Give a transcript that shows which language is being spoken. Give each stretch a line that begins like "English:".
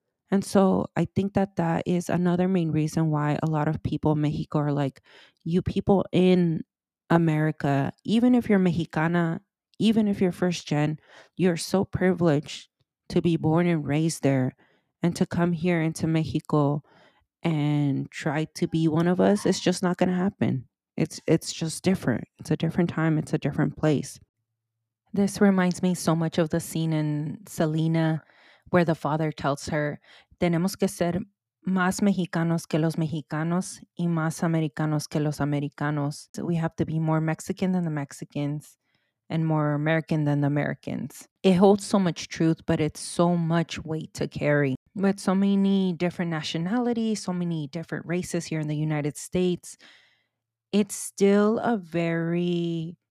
English: And so I think that that is another main reason why a lot of people in Mexico are like, you people in America, even if you're Mexicana, even if you're first gen, you're so privileged to be born and raised there and to come here into Mexico and try to be one of us. It's just not going to happen. It's just different. It's a different time. It's a different place. This reminds me so much of the scene in Selena where the father tells her,
Spanish: tenemos que ser más mexicanos que los mexicanos y más americanos que los americanos.
English: So we have to be more Mexican than the Mexicans and more American than the Americans. It holds so much truth, but it's so much weight to carry. With so many different nationalities, so many different races here in the United States, it's still a very